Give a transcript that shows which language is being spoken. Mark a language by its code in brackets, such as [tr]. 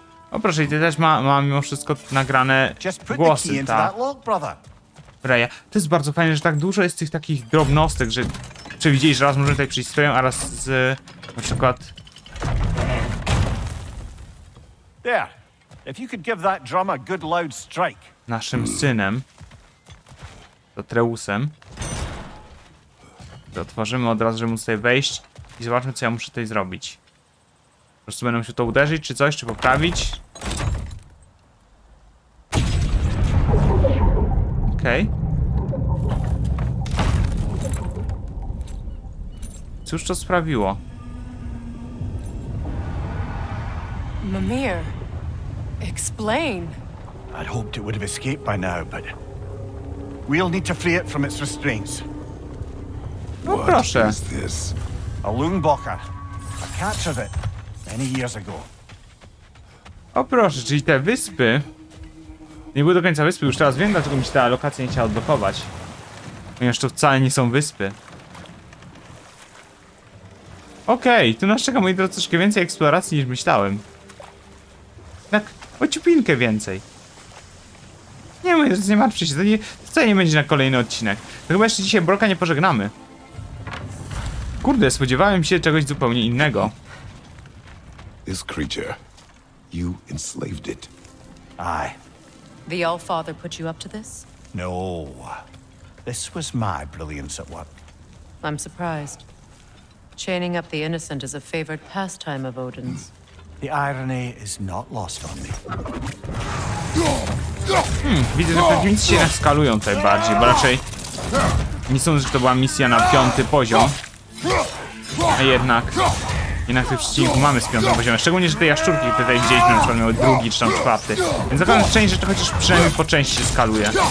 [pl] O proszę, i ty też ma mimo wszystko nagrane głosy, tak? Freya, to jest bardzo fajne, że tak dużo jest tych takich drobnostek, że przewidzieli, że raz możemy tutaj przyjść stoją, a raz z... na przykład... [en] There. If you could give that drum a good loud strike. [pl] Naszym synem. Atreusem. Otworzymy od razu, żeby móc tutaj wejść. I zobaczmy, co ja muszę tutaj zrobić. Po prostu będę musiał to uderzyć, czy coś, czy poprawić. Okej. Okay. Cóż to sprawiło? [en] Mimir. Explain. I'd hoped it would have escaped by now, but we'll need to free it from its restraints. [pl] No, proszę. [en] What is this? A Lungbocker. A catch of it many years ago. [pl] O proszę, czyli te wyspy. Nie były do końca wyspy, już teraz wiem, dlaczego mi się ta lokacja nie chciała odblokować. Ponieważ to wcale nie są wyspy. Okej, okay, tu nas czeka, moi drodzy, troszkę więcej eksploracji niż myślałem. Tak, o ciupinkę więcej. Nie, moi drodzy, nie martwcie się, to nie będzie na kolejny odcinek. To chyba jeszcze dzisiaj Broka nie pożegnamy. Kurde, spodziewałem się czegoś zupełnie innego. [en] This creature, you enslaved it. Aye. The Allfather put you up to this? No. This was my brilliance at work. I'm surprised. Chaining up the innocent is a favored pastime of Odin's. The irony is not lost on me. [pl] Widzę, że pewnie nic się eskalują tutaj bardziej, bo raczej nie sądzę, że to była misja na piąty poziom. A jednak. Jednak tych przeciwników mamy z piątym poziomem. Szczególnie, że te jaszczurki tutaj widzieliśmy, na przykład miały drugi czy tam czwarty. Więc zakładam szczęście, że to chociaż przynajmniej po części skaluje.